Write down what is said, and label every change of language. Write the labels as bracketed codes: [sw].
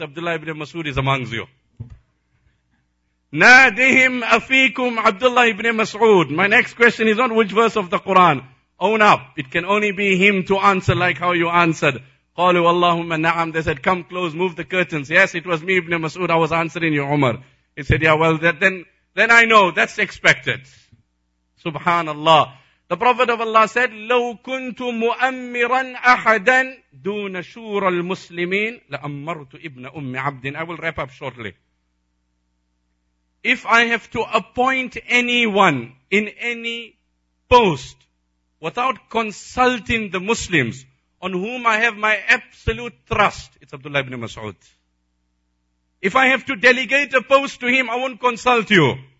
[en] Abdullah ibn Mas'ud is amongst you. [ar] Nadihim afikum [en] Abdullah ibn Mas'ud. My next question is not which verse of the Quran. Own up. It can only be him to answer like how you answered. [ar] Qalu Allahumma na'am. [en] They said, come close, move the curtains. Yes, it was me, Ibn Mas'ud. I was answering you, Umar. He said, yeah, well, then I know. That's expected. Subhanallah. [ar] The Prophet of Allah said, لو كنت مؤمرا أحدا دون شور المسلمين لأمرت ابن أم عبد. [en] I will wrap up shortly. If I have to appoint anyone in any post without consulting the Muslims on whom I have my absolute trust, it's Abdullah ibn Mas'ud. If I have to delegate a post to him, I won't consult you.